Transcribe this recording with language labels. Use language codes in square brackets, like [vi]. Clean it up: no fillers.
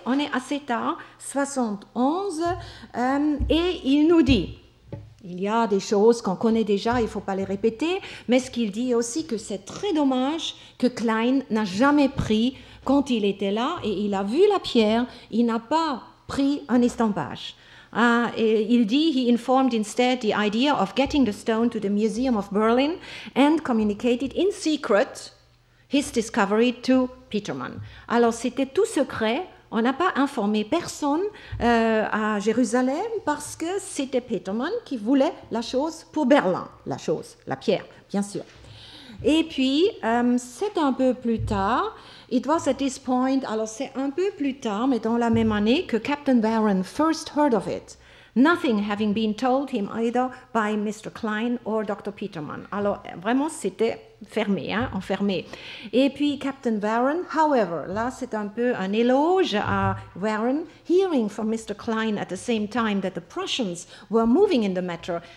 [fr] On est assez tard, 71, et il nous dit... Il y a des choses qu'on connaît déjà, il ne faut pas les répéter, mais ce qu'il dit aussi que c'est très dommage que Klein n'a jamais pris, quand il était là et il a vu la pierre, il n'a pas pris un estampage. Et il dit, [en] he informed instead the idea of getting the stone to the Museum of Berlin and communicated in secret his discovery to Petermann. [fr] Alors c'était tout secret. On n'a pas informé personne à Jérusalem parce que c'était Petermann qui voulait la chose pour Berlin, la chose, la pierre, bien sûr. Et puis, c'est un peu plus tard, [en] it was at this point, [fr] alors c'est un peu plus tard, mais dans la même année, que [en] Captain Barron first heard of it, nothing having been told him either by Mr. [fr] Klein or Dr. Petermann. Alors, vraiment, c'était... fermé, hein, enfermé. Et puis Captain Warren, however, là c'est un peu un éloge à Warren, [en] hearing from Mr. Klein at the same time that the Prussians were moving in the matter.